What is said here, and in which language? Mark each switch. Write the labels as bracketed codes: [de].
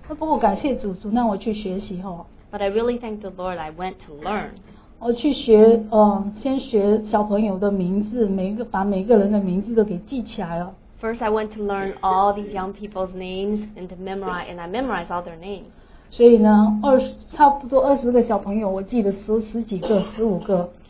[zh] 不过感谢主，主让我去学习哈。 [en] But I really thank the Lord. I went to learn. [zh] 我去学，先学小朋友的名字，每个把每个人的名字都给记起来了。 [en] First, I went to learn all these young people's names and to memorize, and I memorized all their names. [zh] 所以呢，差不多二十个小朋友，我记得十几个、十五个。